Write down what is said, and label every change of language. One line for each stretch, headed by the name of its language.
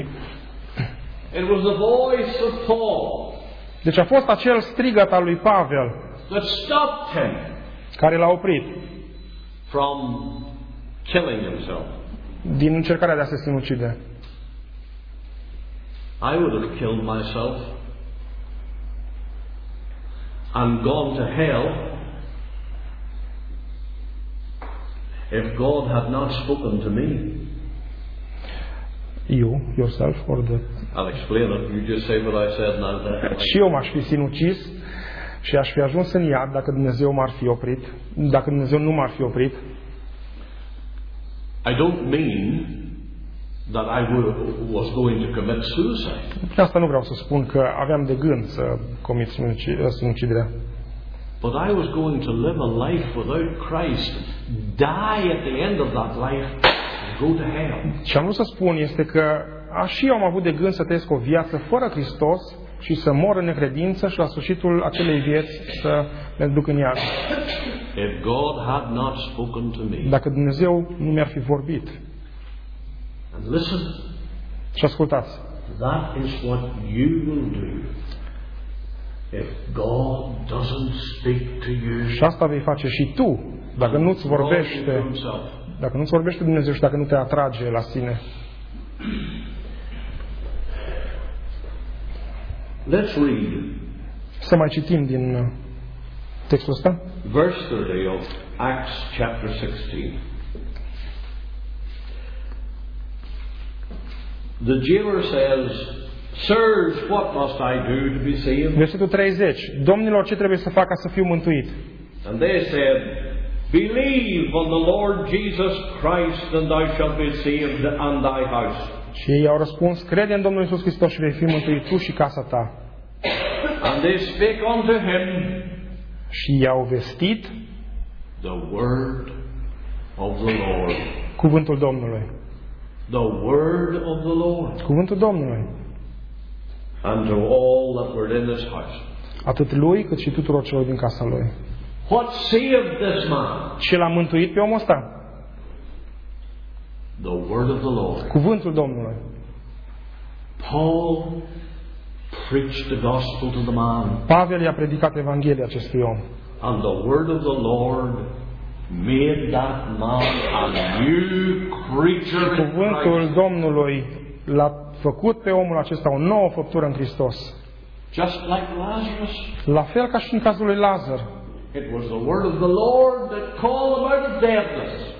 English: It was the voice of Paul.
Romanian: Deci a fost acel strigăt al lui Pavel
English: that stopped him
Romanian: care l-a oprit
English: from killing himself.
Romanian: Din încercarea de a se sinucide.
English: I would have killed myself and gone to hell if God had not spoken to me. You yourself or the? I'll explain it. You just say what I said now.
Romanian: Și eu m-aș fi sinucis și aș fi ajuns în iad dacă Dumnezeu m-ar fi oprit, dacă Dumnezeu nu m-ar fi oprit.
English: I don't mean that I was going to commit suicide.
Romanian: Asta nu vreau să spun că aveam de gând să comit sinuciderea.
English: But I was going to live a life without Christ, die at the end of that life.
Romanian: Ce am vrut să spun este că și eu am avut de gând să trăiesc o viață fără Hristos și să mor în necredință și la sfârșitul acelei vieți să le duc în iad.
English: If God had not spoken to me.
Romanian: Dacă Dumnezeu nu mi-ar fi vorbit.
English: And listen,
Romanian: și ascultați.
English: That is what you will do if God doesn't speak to you.
Romanian: Și asta vei face și tu dacă nu-ți vorbește. Dacă nu-ți vorbește Dumnezeu și dacă nu te atrage la sine.
English: Let's read.
Romanian: Să mai citim din textul ăsta.
English: Verse 30 of Acts chapter 16. The jailer says, "Sirs, what must I do to be saved?"
Romanian: Versetul 30. Domnilor, ce trebuie să fac ca să fiu mântuit?
English: And they said, "Believe on the Lord Jesus Christ and thou shalt be saved and thy house."
Romanian: Și ei au răspuns, crede în Domnul Iisus Hristos și vei fi mântuit tu și casa ta.
English: And they spake unto him.
Romanian: Și i-au vestit
English: the word of the Lord.
Romanian: Cuvântul Domnului.
English: The word of the Lord.
Romanian: Cuvântul Domnului.
English: And to all that were in his house.
Romanian: Atât lui, cât și tuturor celor din casa lui.
English: What saved this man?
Romanian: Ce l-a mântuit pe omul ăsta?
English: The word of the Lord.
Romanian: Cuvântul Domnului.
English: Paul preached the gospel to the man.
Romanian: Pavel i-a predicat evanghelia acestui om.
English: And the word of the Lord made that man a new creature.
Romanian: Cuvântul Domnului l-a făcut pe omul acesta o nouă făptură în Hristos.
English: Just like Lazarus.
Romanian: La fel ca și în cazul lui Lazar.
English: It was the word of the Lord that called him out of deathness.